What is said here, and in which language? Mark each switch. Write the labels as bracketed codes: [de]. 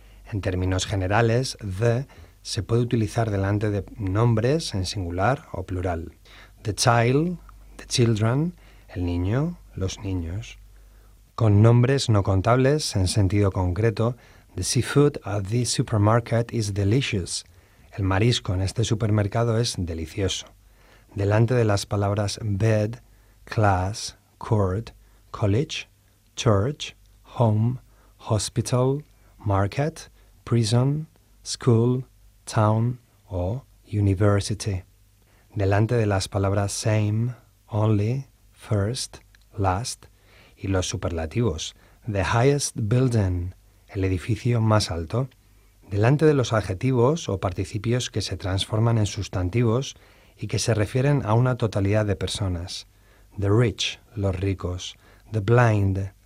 [es] En términos generales, the se puede utilizar delante de nombres en singular o plural. [en] The child, the children, [es] el niño, los niños. Con nombres no contables, en sentido concreto, [en] the seafood at this supermarket is delicious. [es] El marisco en este supermercado es delicioso. Delante de las palabras bed, class, court, college, church, home, hospital, market, prison, school, town o university. Delante de las palabras same, only, first, last y los superlativos. [en] The highest building, [es] el edificio más alto. Delante de los adjetivos o participios que se transforman en sustantivos y que se refieren a una totalidad de personas. [en] The rich, [es] los ricos. [en] The blind,